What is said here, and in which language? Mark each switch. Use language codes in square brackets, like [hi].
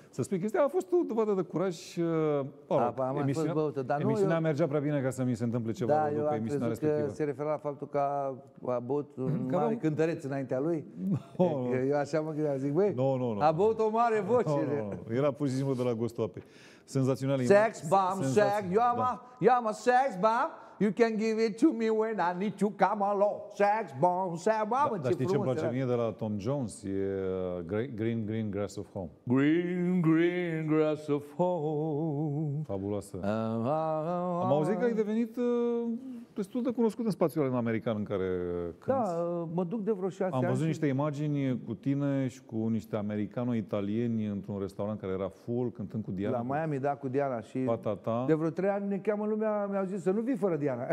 [ro] Să spui chestia. A fost o dovadă de curaj. Apa a mai fost băută. Dar emisiunea nu, eu... mergea prea bine ca să mi se întâmple ceva. Da, după eu am crezut că se refera la faptul că a băut un că mare cântăreț înaintea lui. No, eu așa mă gândeam, zic, băi, no. A băut o mare voce. No. Era pur și simplu de la gustoape. Senzațional. [en] Sex bomb, sex, you're my sex bomb, you can give it to me when I need to come along. Sex bomb, sex bomb, [ro] da, ce frumos. Dar știi ce îmi place mie de la Tom Jones? E Green, Green Grass of Home. [en] Green, Green Grass of Home. [ro] Fabuloasă. Am auzit că ai devenit destul de cunoscut în spațiul american în care cânti. Da, mă duc de vreo 6 ani. Am văzut niște imagini cu tine și cu niște americano-italieni într-un restaurant care era full, cântând cu Diana. La Miami, da, cu Diana. Și patata. De vreo 3 ani ne cheamă lumea, mi-au zis să nu vii fără Diana.